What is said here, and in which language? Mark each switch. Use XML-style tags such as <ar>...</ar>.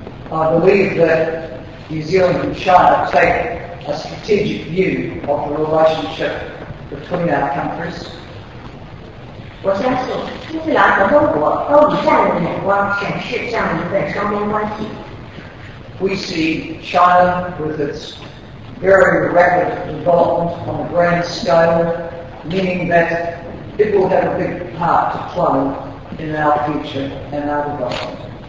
<en>I believe that New Zealand and China take a strategic view of the relationship between our countries.</en> <zh>我相信新西兰和中国都以战略眼光审视这样一份双边关系。</zh> <en>We see China with its very rapid development on a grand scale, meaning that it will have a big part to play in our future and our development.</en>